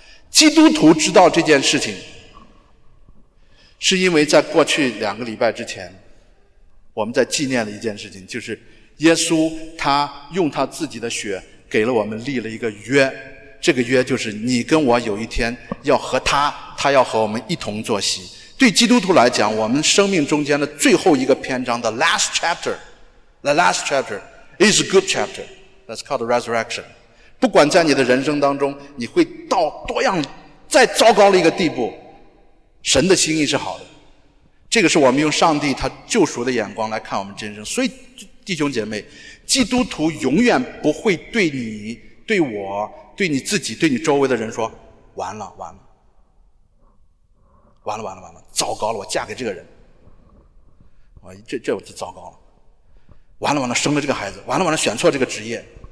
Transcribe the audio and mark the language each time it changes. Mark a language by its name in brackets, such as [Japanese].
[Chinese] 基督徒知道这件事情，是因为在过去两个礼拜之前，我们在纪念了一件事情，就是耶稣他用他自己的血给了我们立了一个约，这个约就是你跟我有一天要和他，他要和我们一同坐席。对基督徒来讲，我们生命中间的最后一个篇章 [English] The last chapter, The last chapter is a good chapter, that's called the resurrection。 [Chinese] 不管在你的人生当中你会到多样再糟糕的一个地步，神的心意是好的。这个是我们用上帝他救赎的眼光来看我们人生。所以弟兄姐妹，基督徒永远不会对你，对我，对你自己，对你周围的人说完了完了完了完了完了，糟糕了，我嫁给这个人，这我就糟糕了，完了完了，生了这个孩子，完了完了，选错这个职业。